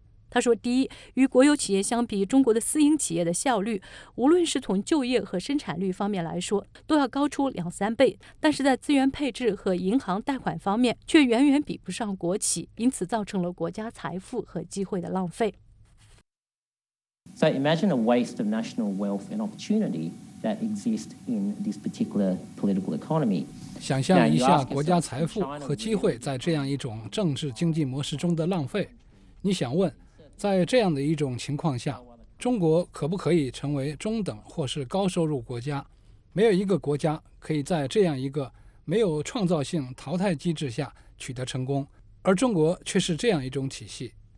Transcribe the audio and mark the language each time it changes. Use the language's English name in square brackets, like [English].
[Chinese] 他说，第一，与国有企业相比，中国的私营企业的效率，无论是从就业和生产率方面来说，都要高出2-3倍，但是在资源配置和银行贷款方面，却远远比不上国企，因此造成了国家财富和机会的浪费。 [English] So imagine a waste of national wealth and opportunity that exists in this particular political economy. [Chinese] 想象一下国家财富和机会在这样一种政治经济模式中的浪费。你想问，在这样的一种情况下，中国可不可以成为中等或是高收入国家？没有一个国家可以在这样一个没有创造性淘汰机制下取得成功，而中国却是这样一种体系。